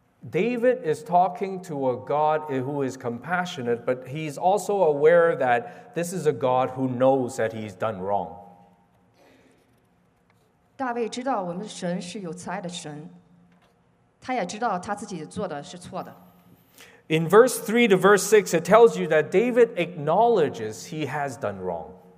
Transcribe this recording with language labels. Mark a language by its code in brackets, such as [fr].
[en] David is talking to a God who is compassionate, but he's also aware that this is a God who knows that he's done wrong. [zh] 大卫知道我们神是有慈爱的神，他也知道他自己做的是错的。 [en] In verse 3 to verse 6, it tells you that David acknowledges he has done wrong.